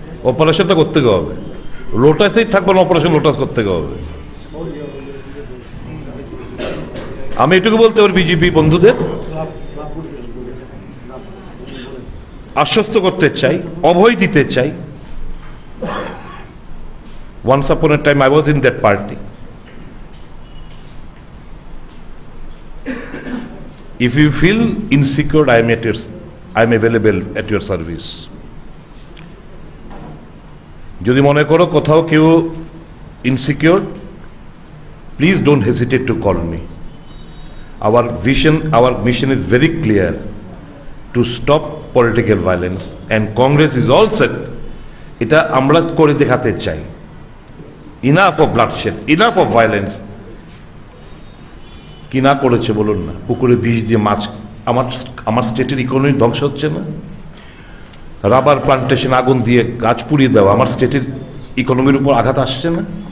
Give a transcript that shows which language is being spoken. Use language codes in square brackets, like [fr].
[bn] অপারেশনটা করতে গে হবে, লোটাসেই থাকবে না, অপারেশন লোটাস করতে গে হবে। আমি এটুকু বলতে পারি বিজেপি বন্ধুদের আশ্বস্ত করতে চাই, অভয় দিতে চাই। [en] Once upon a time I was in that party. If you feel insecure, I am available at your service. [bn] Jodi mone koro kothao keu insecure, [en] please don't hesitate to call me. Our vision, our mission is very clear: to stop political violence, and Congress is all set. [bn] এটা আমরা করে দেখাতে চাই, [en] Enough of bloodshed, enough of violence. [bn] কি না করেছে বলুন না, পুকুরে বিষ দিয়ে মাছ, আমার আমার স্টেটের ইকোনমি ধ্বংস হচ্ছে না? রাবার প্লান্টেশন আগুন দিয়ে গাছ পুড়িয়ে দেওয়া, আমার স্টেটের ইকোনমির উপর আঘাত আসছে না?